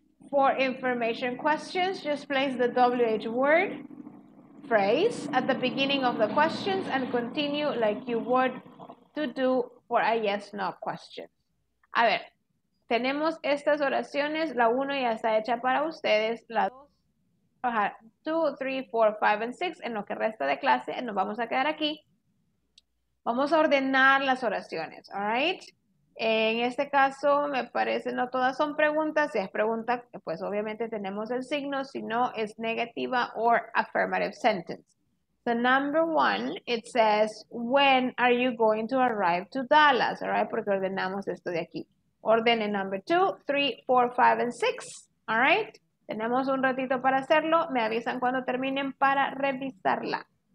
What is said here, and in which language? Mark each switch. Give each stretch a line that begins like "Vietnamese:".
English: For information questions, just place the WH word, phrase, at the beginning of the questions and continue like you would to do for a yes, no question.
Spanish: A ver, tenemos estas oraciones, la uno ya está hecha para ustedes, la dos... 2, 3, 4, 5, and 6 en lo que resta de clase, y nos vamos a quedar aquí. Vamos a ordenar las oraciones,
English: all right?
Spanish: En este caso, me parece, no todas son preguntas. Si es pregunta, pues obviamente tenemos el signo. Si no, es negativa
English: or affirmative sentence. The number one, it says, when are you going to arrive to Dallas, all right?
Spanish: Porque ordenamos esto de aquí. Orden en
English: number 2, 3, 4, 5, and 6, all right?
Spanish: Tenemos un ratito para hacerlo. Me avisan cuando terminen para revisarla.